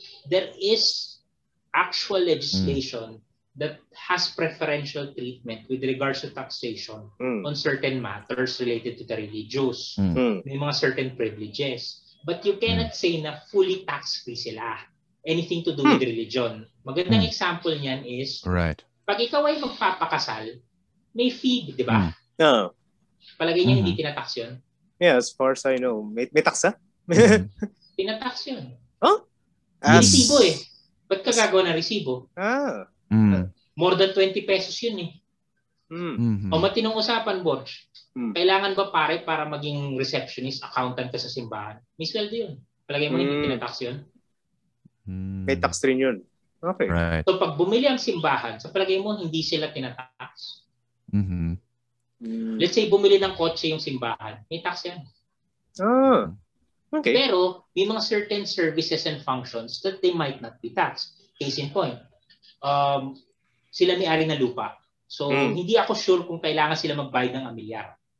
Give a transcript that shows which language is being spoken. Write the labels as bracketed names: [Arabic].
[English] There is actual legislation that has preferential treatment with regards to taxation on certain matters related to the religious. [Filipino] May mga [English] certain privileges. But you cannot say na fully tax-free sila. Anything to do with religion. [Filipino] Magandang example niyan [English] is, right. [Filipino] pag ikaw ay magpapakasal, may fee, di ba? [English] No. [Filipino] Palagay niya hindi tinatax yun? [English] Yeah, as far as I know. [Filipino] May tax, ha? Tinatax yun. Huh? Resibo eh. Ba't ka gagawa ng resibo? [English] More than 20 pesos [Filipino] yun eh. O matinong usapan, Borch. Kailangan ba pare para maging receptionist, accountant ka sa simbahan? Misweldo yun. Palagay mo hindi tinatax yun? May tax rin yun. Okay. [English] Right. [Filipino] So pag bumili ang simbahan, sa palagay mo hindi sila tinatax. Let's say bumili ng kotse yung simbahan, may tax yan. [English] Okay. [Filipino] Pero may mga [English] certain services and functions that they might not be taxed. Case in point, [Filipino] sila may-ari ng lupa. So hindi ako sure kung kailangan sila magbayad ng amilyar.